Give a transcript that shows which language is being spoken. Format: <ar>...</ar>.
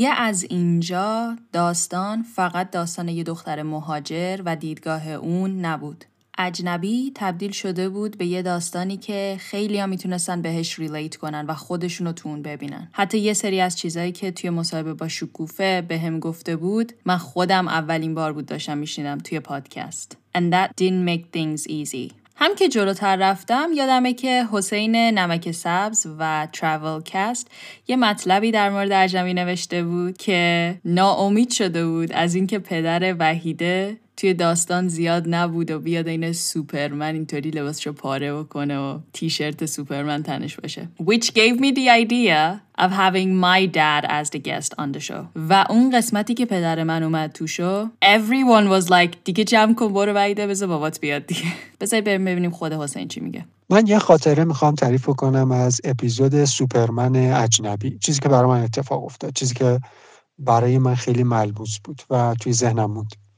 <fa>از اینجا داستان فقط داستان یه دختر مهاجر و دیدگاه اون نبود. اجنبی تبدیل شده بود به یه داستانی که خیلی ها میتونستن بهش ریلیت کنن و خودشونو تو اون ببینن. حتی یه سری از چیزایی که توی مصاحبه با شکوفه به هم گفته بود من خودم اولین بار بود داشتم میشنیدم توی پادکست.</fa> <en>And that didn't make things easy.</en> <fa>هم که جلوتر رفتم یادمه که حسین نمک سبز و تراول کست یه مطلبی در مورد عجمی نوشته بود که ناامید شده بود از اینکه پدر وحیده توی داستان زیاد نبود و بیاد این سوپرمن اینطوری لباسشو پاره بکنه و تیشرت سوپرمن تنش باشه.</fa> <en>Which gave me the idea of having my dad as the guest on the show.</en> <fa>و اون قسمتی که پدر من اومد تو شو</fa> <en>everyone was like</en> <fa>دیگه جمع کن برو وحیده بذار بابات بیاد دیگه. بذاری بریم ببینیم خود حسین چی میگه. من یه خاطره میخوام تعریف کنم از اپیزود سوپرمن اجنبی، چیزی که برای من اتفاق افتاد، چیزی که برای من خیلی ملموس بود و توی ذهنم بود.</fa>